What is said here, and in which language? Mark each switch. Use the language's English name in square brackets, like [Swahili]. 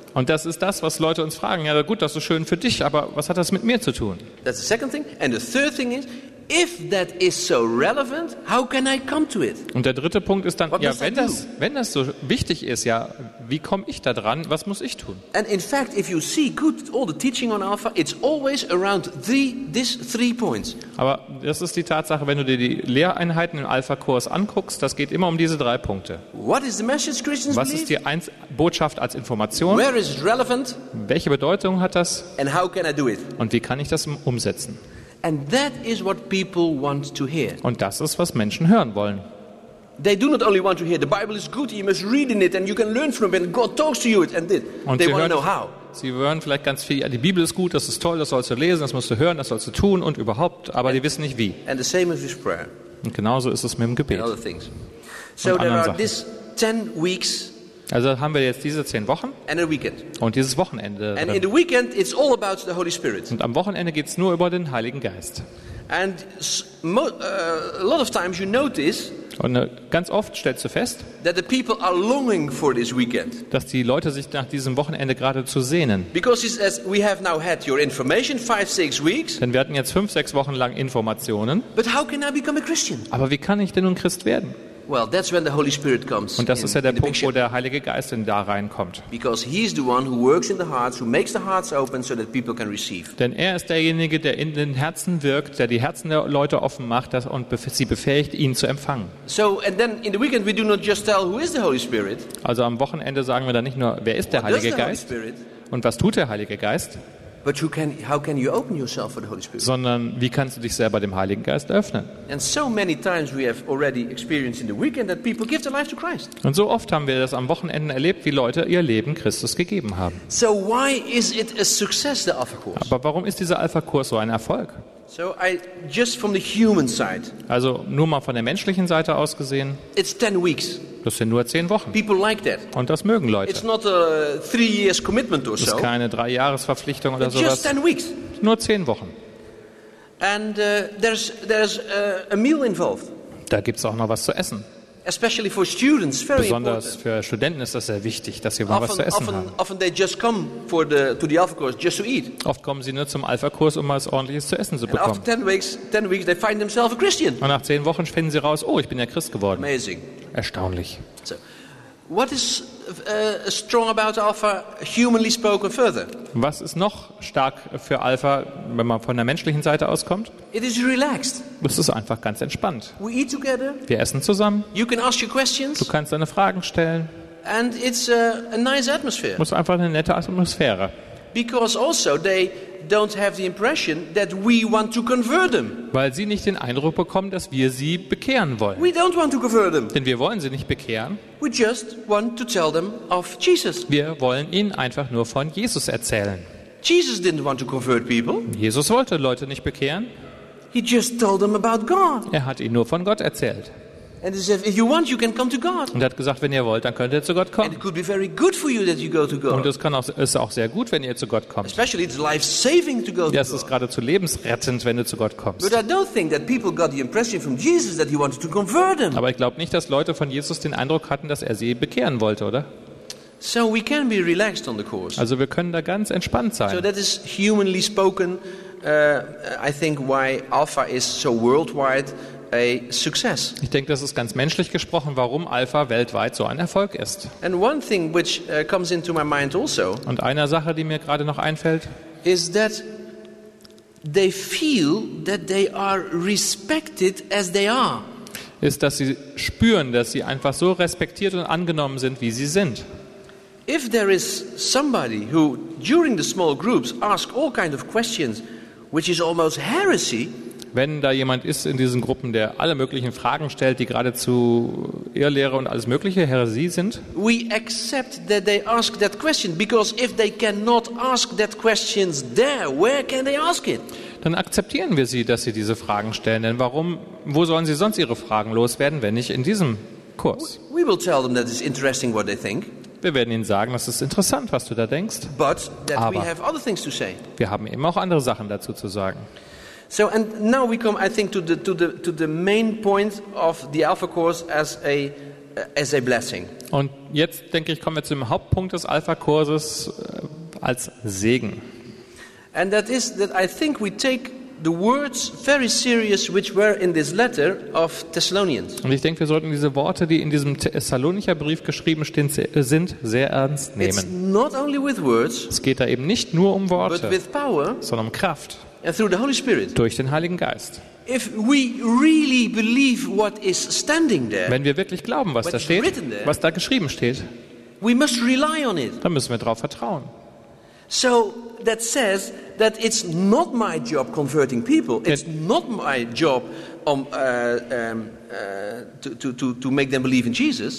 [German] Und das ist das, was Leute uns fragen. Ja, gut, das ist schön für dich, aber was hat das mit mir zu tun? [English] That's the second thing. And the third thing is, if that is so relevant, how can I come to it? [German] Und der dritte Punkt ist dann, wenn das so wichtig ist, ja, wie komme ich da dran? Was muss ich tun? [English] And in fact, if you see good all the teaching on Alpha, it's always around these three points. [German] Aber das ist die Tatsache, wenn du dir die Lehreinheiten im Alpha Kurs anguckst, das geht immer um diese drei Punkte. [English] What is the message Christians believe? [German] Was ist die Botschaft als Information? [English] Where is it relevant? [German] Welche Bedeutung hat das? [English] And how can I do it? [German] Und wie kann ich das umsetzen? [English] And that is what people want to hear. [German] Und das ist, was Menschen hören wollen. [English] They do not only want to hear the Bible is good, you must read in it and you can learn from it and God talks to you it and this. [German] Und [English] they want to know how. [German] Sie hören vielleicht ganz viel, ja, die Bibel ist gut, das ist toll, das sollst du lesen, das musst du hören, das sollst du tun und überhaupt, aber die wissen nicht wie. [English] And the same is with prayer. [German] Und genauso ist es mit dem Gebet. [English] And other things. So there are [German] Sachen. [English] This 10 weeks. [German] Also haben wir jetzt diese 10 Wochen [English] and a weekend. [German] Und dieses Wochenende. [English] And in the weekend it's all about the Holy Spirit. [German] Und am Wochenende geht's nur über den Heiligen Geist. [English] And a lot of times you notice. [German] Und ganz oft stellst du fest, [English] that the people are longing for this weekend. [German] Dass die Leute sich nach diesem Wochenende geradezu sehnen. [English] Because it's as we have now had your information 5-6 weeks. [German] Denn wir hatten jetzt 5-6 Wochen lang Informationen. [English] But how can I become a Christian? [German] Aber wie kann ich denn nun Christ werden? [English] Well, that's when the Holy Spirit comes. [German] Und das ist ja der Punkt, wo der Heilige Geist in da reinkommt. [English] Because he is the one who works in the hearts, who makes the hearts open so that people can receive. [German] Denn er ist derjenige, der in den Herzen wirkt, der die Herzen der Leute offen macht und sie befähigt, ihn zu empfangen. [English] So and then in the weekend we do not just tell who is the Holy Spirit. [German] Also am Wochenende sagen wir dann nicht nur, wer ist der Heilige Geist? Und was tut der Heilige Geist? [English] But how can you open yourself for the Holy Spirit? [German] Sondern wie kannst du dich selber dem Heiligen Geist öffnen? [English] And so many times we have already experienced in the weekend that people give their life to Christ. [German] Und so oft haben wir das am Wochenende erlebt, wie Leute ihr Leben Christus gegeben haben. [English] So why is it a success, the Alpha Course? [German] Aber warum ist dieser Alpha Kurs so ein Erfolg? [English] So I just from the human side. [German] Also nur mal von der menschlichen Seite aus gesehen. [English] It's 10 weeks. [German] Das sind nur 10 Wochen. [English] People like that. [German] Und das mögen Leute. [English] It's not a 3 years commitment or so. [German] Das ist keine 3-Jahres-Verpflichtung oder sowas. [English] Just 10 weeks. [German] Nur 10 Wochen. [English] And there's a meal involved. [German] Da gibt's auch noch was zu essen. [English] Especially for students, very [German] besonders [English] important. [German] Für Studenten ist das sehr wichtig, dass sie mal was zu essen haben. [English] Often they just come for to the Alpha Course just to eat. [German] Oft kommen sie nur zum Alpha Kurs, um mal was Ordentliches zu essen zu bekommen. [English] And after 10 weeks, they find themselves a Christian. [German] Und nach 10 Wochen finden sie raus: Oh, ich bin ja Christ geworden. [English] Amazing. [German] Erstaunlich. [English] So, what is strong about Alpha, humanly spoken, further? [German] Was ist noch stark für Alpha, wenn man von der menschlichen Seite auskommt? [English] It is relaxed. [German] Es ist einfach ganz entspannt. [English] We eat together. [German] Wir essen zusammen. [English] You can ask your questions. [German] Du kannst deine Fragen stellen. [English] And it's a nice atmosphere. [German] Es ist einfach eine nette Atmosphäre. [English] Because also they don't have the impression that we want to convert them. [German] Weil sie nicht den Eindruck bekommen, dass wir sie bekehren wollen. [English] We don't want to convert them. [German] Denn wir wollen sie nicht bekehren. [English] We just want to tell them of Jesus. [German] Wir wollen ihnen einfach nur von Jesus erzählen. [English] Jesus didn't want to convert people. [German] Jesus wollte Leute nicht bekehren. [English] He just told them about God. [German] Er hat ihnen nur von Gott erzählt. [English] And he said, if you want, you can come to God. [German] Und er hat gesagt, wenn ihr wollt, dann könnt ihr zu Gott kommen. [English] And it could be very good for you that you go to God. [German] Und es ist auch sehr gut, wenn ihr zu Gott kommt. [English] Especially it's life-saving to go to God. [German] Das ist geradezu lebensrettend, wenn du zu Gott kommst. [English] But I don't think that people got the impression from Jesus that he wanted to convert them. [German] Aber ich glaube nicht, dass Leute von Jesus den Eindruck hatten, dass er sie bekehren wollte, oder? [English] So we can be relaxed on the course. [German] Also wir können da ganz entspannt sein. [English] So that is humanly spoken, I think why Alpha is so worldwide a success. [German] Ich denke, das ist ganz menschlich gesprochen, warum Alpha weltweit so ein Erfolg ist. [English] And one thing which comes into my mind also. [German] Und eine Sache, die mir gerade noch einfällt, [English] is that they feel that they are respected as they are. [German] Ist, dass sie spüren, dass sie einfach so respektiert und angenommen sind, wie sie sind. [English] If there is somebody who during the small groups ask all kind of questions, which is almost heresy. [German] Wenn da jemand ist in diesen Gruppen, der alle möglichen Fragen stellt, die geradezu Irrlehre und alles mögliche Heresie sind. [English] We accept that they ask that question because if they cannot ask that questions there, where can they ask it? [German] Dann akzeptieren wir sie, dass sie diese Fragen stellen, denn warum, wo sollen sie sonst ihre Fragen loswerden, wenn nicht in diesem Kurs? [English] We will tell them that it's interesting what they think. [German] Wir werden ihnen sagen, das ist interessant, was du da denkst. [English] But that we have other things to say. [German] Wir haben eben auch andere Sachen dazu zu sagen. [English] So and now we come, I think, to the main point of the Alpha course as a blessing. [German] Und jetzt denke ich, kommen wir zum Hauptpunkt des Alpha Kurses als Segen. [English] And that is that I think we take the words very serious which were in this letter of Thessalonians. [German] Und ich denke, wir sollten diese Worte, die in diesem Thessalonicher Brief geschrieben stehen, sind sehr ernst nehmen. [English] It's not only with words. [German] Es geht da eben nicht nur um Worte, [English] but with power, [German] sondern um Kraft. [English] And through the Holy Spirit. [German] Durch den Heiligen Geist. [English] If we really believe what is standing there. [German] Wenn wir wirklich glauben, was da steht, was da geschrieben steht. [English] We must rely on it. [German] Dann müssen wir drauf vertrauen. [English] So that says that it's not my job converting people. It's not my job to make them believe in Jesus.